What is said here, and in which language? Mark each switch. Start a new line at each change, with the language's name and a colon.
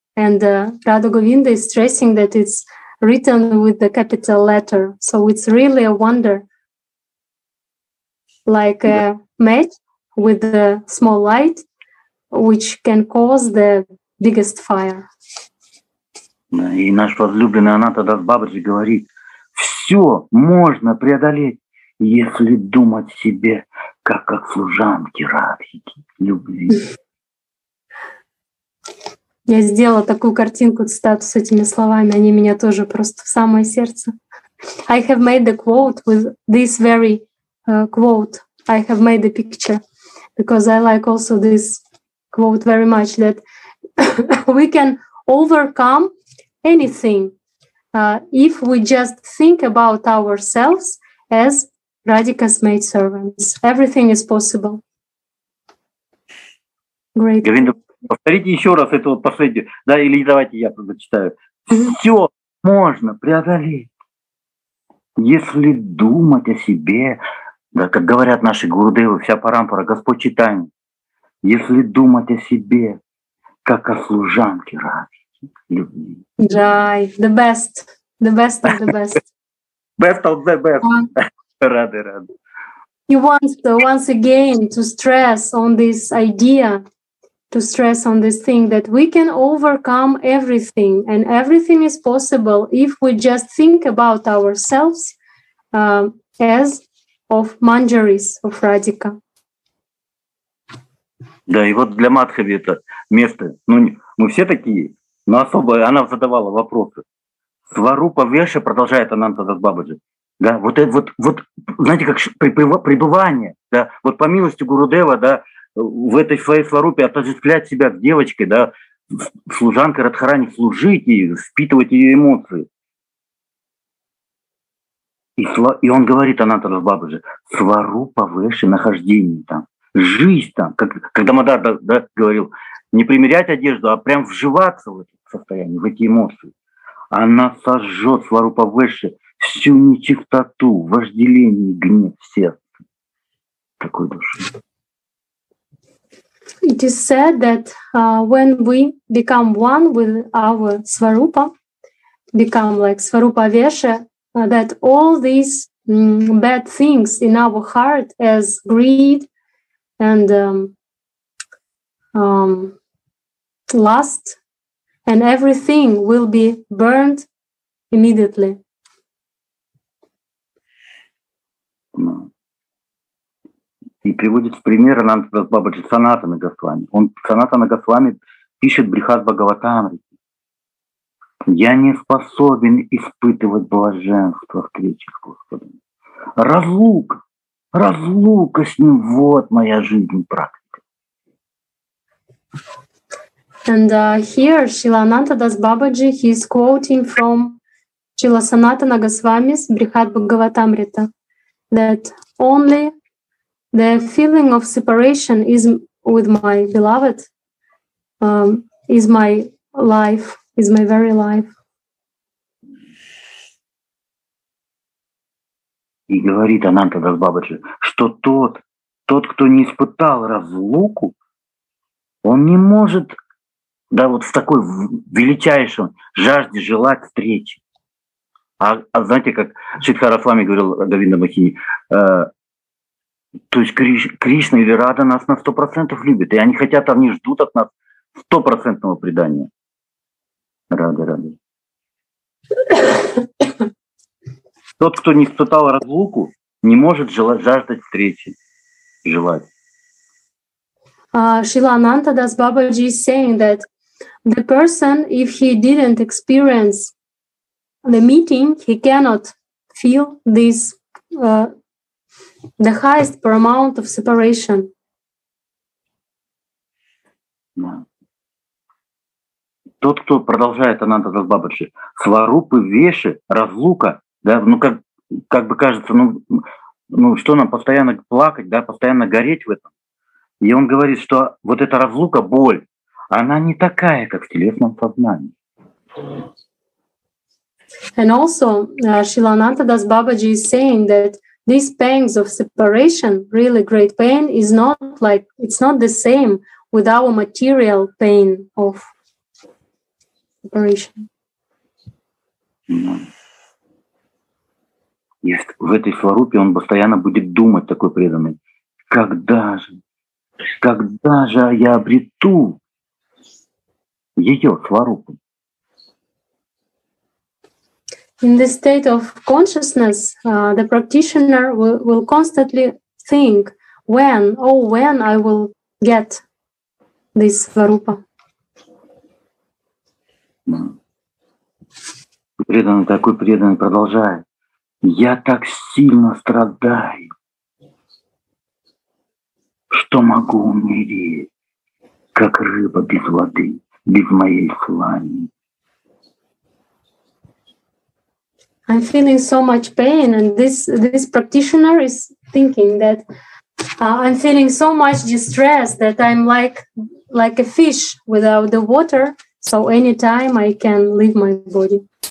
English: And Radha Govinda is stressing that it's written with the capital letter. So it's really a wonder. Like a match with a small light, which can cause the biggest fire.
Russian: И наш возлюбленный Ананта Дас Бабаджи говорит, все можно преодолеть, если думать себе, как служанки Радхики, любви. Я сделала такую картинку, цитату с этими словами. Они меня тоже просто в самое сердце.
English: I have made the quote with this very quote. I have made the picture. Because I like also this quote very much, that we can overcome anything if we just think about ourselves as Radhika's maid servants. Everything is possible. Great.
Russian: Повторите еще раз эту вот последнюю, да, или давайте я прочитаю. Все можно преодолеть. Если думать о себе, да, как говорят наши гурудевы, вся парампара, Господь Чайтанья, если думать о себе, как о служанке радости, любви.
English: Джай, the best. The best of the best. Best of the best.
Russian: Рады, рады.
English: He wants to, once again to stress on this idea, to stress on this thing that we can overcome everything, and everything is possible if we just think about ourselves as of Manjaris, of Radhika.
Russian: Да, и вот для Мадхави это место. Ну, мы все такие, но особо она задавала вопросы. Сварупа Веша, продолжает Ананта Дас Бабаджи. Да, вот это вот, вот, знаете, как пребывание, да, вот по милости Гурудева, да, в этой своей сварупе отождествлять себя с девочкой, да, служанкой Радхарани, служить ей, впитывать ее эмоции. И он говорит, Ананта Дас Бабаджи, сварупа Веша, нахождение там. Жизнь там, как когда Мадар да, говорил, не примерять одежду, а прям вживаться в это состояние, в эти эмоции. Она сожжет сварупа Веша всю нечистоту, вожделение, гнев в сердце. Такой души.
English: It is said that when we become one with our Svarupa, become like Svarupa Vesha, that all these bad things in our heart as greed, and lust, and everything will be burned immediately.
Russian: И приводит пример Ананта Дас Бабаджи Санатана Госвами. Он Санатана Госвами пишет Брихат Бхагаватамрити. Я не способен испытывать блаженство в встрече с Господом. Разлука. Разлука с ним, вот моя жизнь, практика.
English: And here Srila Ananta Das Babaji, he is quoting from Srila Sanatana Goswami's Brihat Bhagavatamrita, that only the feeling of separation is with my beloved, is my life, is my very life.
Russian: И говорит Ананта Дас Бабаджи, что тот, кто не испытал разлуку, он не может, да, вот в такой величайшем жажде желать встречи. А знаете, как Шридхара Свами говорил Говинда Махини, то есть Кришна или Рада нас на 100% любят, и они хотят, они ждут от нас 100% предания. Рады, рады. Тот, кто не испытал разлуку, не может желать, жаждать встречи, желать.
English: Srila Ananta Das Babaji is saying that the person, if he didn't experience the meeting, he cannot feel this the highest paramount of separation.
Russian: Тот, кто продолжает Ананта Дас Бабаджи, сварупы, веши, разлука. Да, ну как бы кажется, ну что нам постоянно плакать, да, постоянно гореть в этом. И он говорит, что вот эта разлука, боль, она не такая, как в телесном сознании.
English: And also Srila Ananta Das Babaji is saying that these pangs of separation, really great pain, is not like it's not the same with our material pain of separation.
Russian: И в этой сварупе он постоянно будет думать, такой преданный, когда же я обрету ее сварупу?
English: In the state of consciousness, the practitioner will constantly think, when I will get this сварупа?
Russian: Такой преданный продолжает. Я так сильно страдаю, что могу умереть, как рыба без воды, без моей слани.
English: I'm feeling so much pain, and this practitioner is thinking that I'm feeling so much distress that I'm like a fish without the water, so anytime I can leave my body.